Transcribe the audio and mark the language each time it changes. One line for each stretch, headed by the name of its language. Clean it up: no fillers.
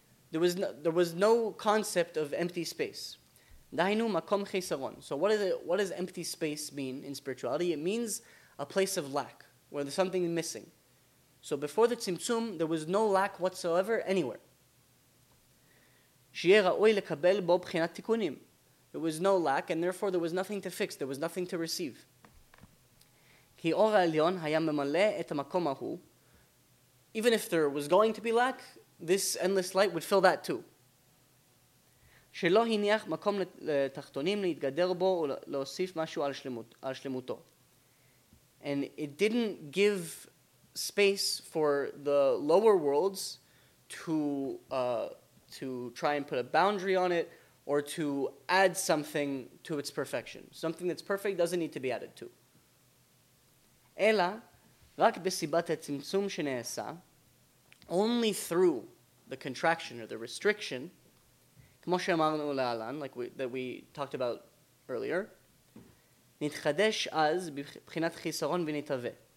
English: There was no concept of empty space.
Hebrew: דהיינו מקום חיסרון.
English: So what does empty space mean in spirituality? It means a place of lack, where there's something missing. So before the Tzimtzum, there was no lack whatsoever anywhere.
Hebrew: שיהיה ראוי לקבל בו בחינת תיקונים.
English: There was no lack, and therefore there was nothing to fix, there was nothing to receive.
Hebrew: כי אור העליון היה ממלא את המקום ההוא.
English: Even if there was going to be lack, this endless light would fill that too.
Hebrew: שלא הניח מקום לתחתונים להתגדר בו ולהוסיף משהו על שלמותו.
English: And it didn't give space for the lower worlds to try and put a boundary on it or to add something to its perfection. Something that's perfect doesn't need to be added to.
Hebrew: אלא רק בסיבת הצמצום שנעשה,
English: only through the contraction or the restriction,
Hebrew: כמו שאמרנו לאלן,
English: like that we talked about earlier,
Hebrew: נתחדש אז בבחינת חיסרון ונתווה.